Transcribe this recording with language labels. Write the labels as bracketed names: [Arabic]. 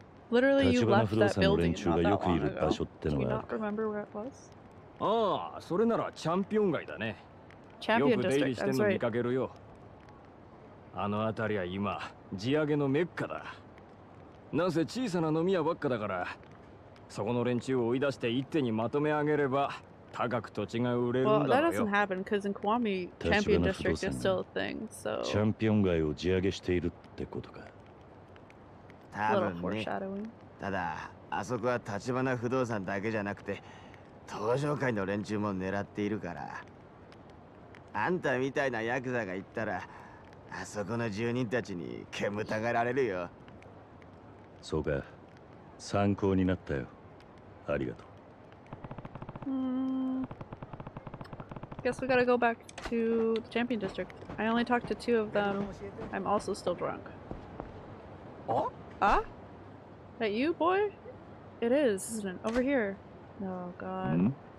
[English] Literally, you left that building not that long ago. Do you not remember where it was? [Japanese] ああ、それならチャンピオン街だね。 [English] チャンピオン district, [Japanese] よく出入りしてんの見かけるよ。あの辺りは今、地上げのメッカだ。なんせ小さな飲み屋ばっかだから、そこの連中を追い出して一手にまとめ上げれば、高く土地が売れるんだろうよ。 [English] Well, that doesn't happen, because in Kiwami, Champion District is still a thing, so... [Japanese] チャンピオン街を地上げしているってことか。たぶんね。ただ、あそこは立花不動産だけじゃなくて、東上界の連中も狙っているから。あんたみたいなヤクザが行ったら、あそこの住人たちに煙たがられるよ。そうか、参考になったよ。ありがとう。 [English] I guess we gotta go back to the Champion District. I only talked to two of them. I'm also still drunk. Ah? That you, boy? It is, isn't it? Over here. Oh, God.